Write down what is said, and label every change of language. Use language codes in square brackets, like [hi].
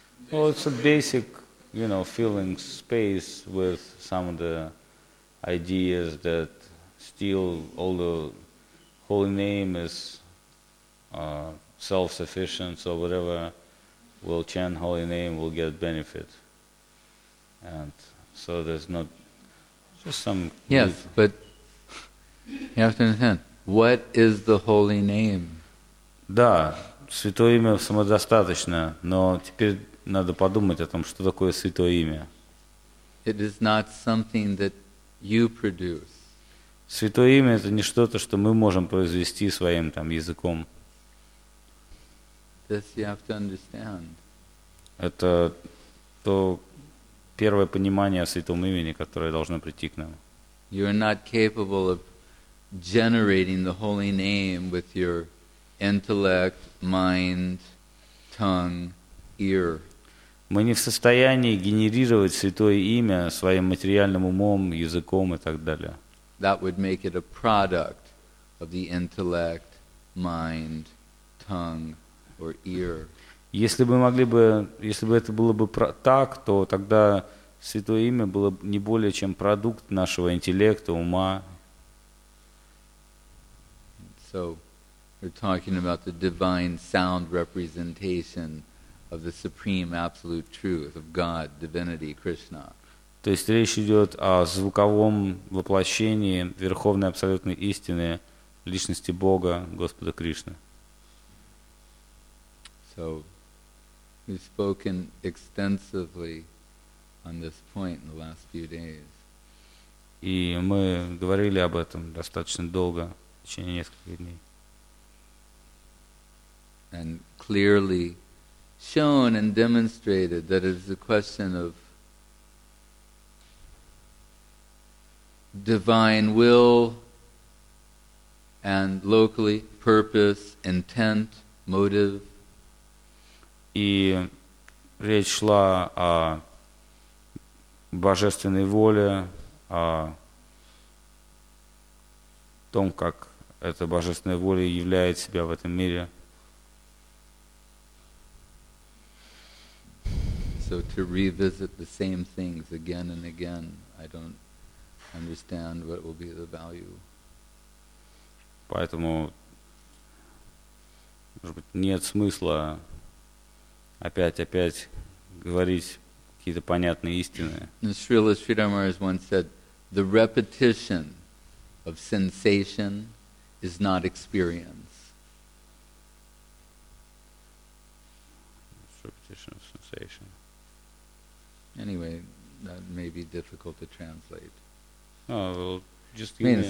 [en] Well, it's a basic, you know, filling space with some of the ideas that still, although holy name is self-sufficient, so whatever will chant holy name will get benefit. And so there's not just some... Yes, need. But you have to understand, what is the holy name? [ru] Да, святое имя самодостаточно, но теперь надо подумать о том, что такое святое имя. [en] It is not something that you produce. [ru] Святое имя – это не что-то, что мы можем произвести своим там языком. [en] This you have to understand. [ru] Это то первое понимание о святом имени, которое должно прийти к нам. [en] You are not capable of generating the holy name with your intellect, mind, tongue, ear. [ru] Мы не в состоянии генерировать святое имя своим материальным умом, языком и так далее. [en] That would make it a product of the intellect, mind, tongue, or ear. [ru] Если бы это было бы так, то тогда святое имя было бы не более чем продукт нашего интеллекта, ума. [en] So, we're talking about the divine sound representation of the supreme absolute truth of God, divinity, Krishna. [ru] То есть речь идет о звуковом воплощении Верховной Абсолютной Истины, Личности Бога, Господа Кришны. [en] So, we've spoken extensively on this point in the last few days. [ru] И мы говорили об этом достаточно долго, в течение нескольких дней. [en] And clearly shown and demonstrated that it is a question of divine will and locally purpose, intent, motive. [ru] И речь шла о божественной воле, о том, как эта божественная воля являет себя в этом мире. [en] So to revisit the same things again and again, I don't understand what will be the value. [ru] Поэтому, может быть, нет смысла опять говорить какие-то понятные истины. [en] Srila Sridhar once said, the repetition of sensation is not experience. Repetition of sensation. Anyway, that may be difficult to translate.